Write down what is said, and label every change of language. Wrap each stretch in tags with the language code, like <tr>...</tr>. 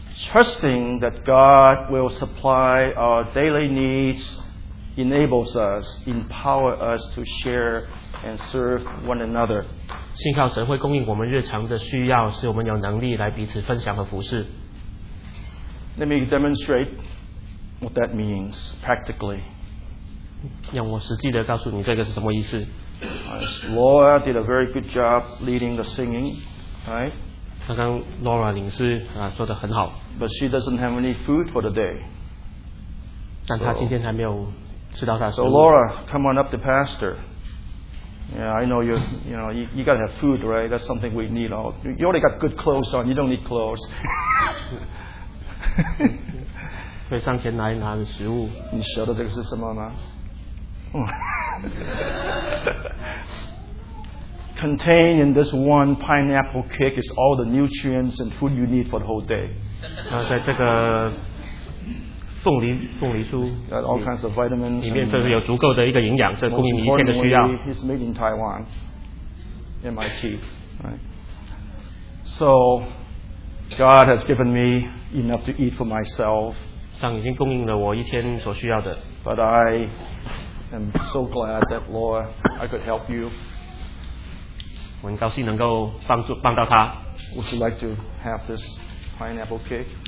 <en>Trusting that God will supply our daily needs enables us, empowers us to share and serve one another.</en> <zh>信靠神会供应我们日常的需要，使我们有能力来彼此分享和服侍。</zh> <en>Let me demonstrate what that means practically.</en> <zh>让我实际的告诉你这个是什么意思。</zh> <en>Laura did a very good job leading the singing, right?</en> <zh>刚刚 Laura 领事啊做得很好。</zh> <en>But she doesn't have any food for the day.</en> <zh>但她今天还没有吃到她的食物。</zh> <en>So Laura, come on up the pastor. Yeah, I know you gotta have food, right? That's something we need. All. You already got good clothes on. You don't need clothes.</en> <zh>可以上前来拿的食物。你晓得这个是什么吗？</zh> <en>Contained in this one pineapple cake is all the nutrients and food you need for the whole day.</en> <zh>在这个凤梨酥</zh> <en>got all kinds of vitamins.</en> <zh>里面是有足够的一个营养，这供应你一天的需要。</zh> <en>It's made in Taiwan, MIT. Right. So God has given me enough to eat for myself.</en> <zh>上已经供应了我一天所需要的。</zh> <en>But I am so glad that Laura, I could help you.</en> <zh>我很高兴能够帮到他。</zh> <en>Would you like to have this pineapple cake?</en>